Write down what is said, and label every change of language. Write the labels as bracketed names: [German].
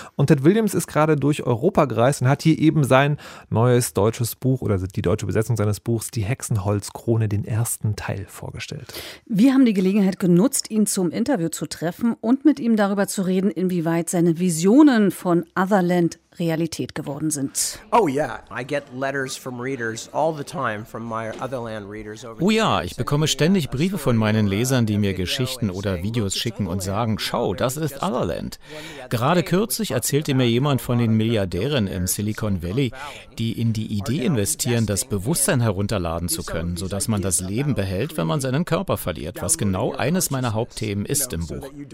[German] Und Ted Williams ist gerade durch Europa gereist und hat hier eben sein neues deutsches Buch oder die deutsche Übersetzung seines Buchs, Die Hexenholzkrone, den ersten Teil vorgestellt. Wir haben die Gelegenheit genutzt, ihn zum Interview zu treffen und mit ihm darüber zu reden, inwieweit seine Visionen von Otherland Realität geworden sind. [English] Oh ja, I get letters from readers all the time from my Otherland readers. [German] Oh ja, ich bekomme ständig Briefe von meinen Lesern, die mir Geschichten oder Videos schicken und sagen, schau, das ist Otherland. Gerade kürzlich erzählte mir jemand von den Milliardären im Silicon Valley, die in die Idee investieren, das Bewusstsein herunterladen zu können, sodass man das Leben behält, wenn man seinen Körper verliert, was genau eines meiner Hauptthemen ist im Buch.